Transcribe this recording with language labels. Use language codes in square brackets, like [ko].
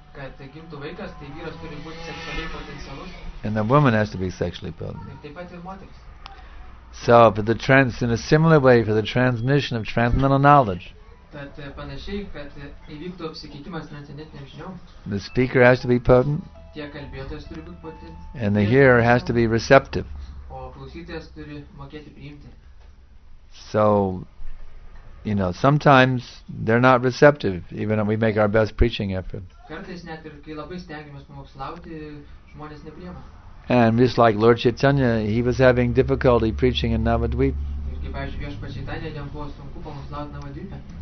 [lt] Kad gimtų vaikas, tai vyras turi būti seksualiai potencialus. [en] And the woman has to be sexually potent. [lt] Taip pat ir moteris. [en] So, for the trans, in a similar way, for the transmission of transcendental knowledge. [lt] Tad panašiai, kad įvyktų apsikeitimas transcendentinėm žiniom. [en] The speaker has to be potent. [lt] Tie kalbėtojas turi būti potent. [en] And the hearer has to be receptive. [lt] O klausytojas turi mokėti priimti. [en] So, you know, sometimes they're not receptive, even if we make our best preaching effort. [lt] Kartais net ir kai labai stengiamės pamokslauti, žmonės nepriima. [en] And just like Lord Chaitanya, he was having difficulty preaching in Navadvip. [lt] Ir kaip pavyzdžiui, viešpats Chaitanya, jam buvo sunku pamokslauti Navadvipe.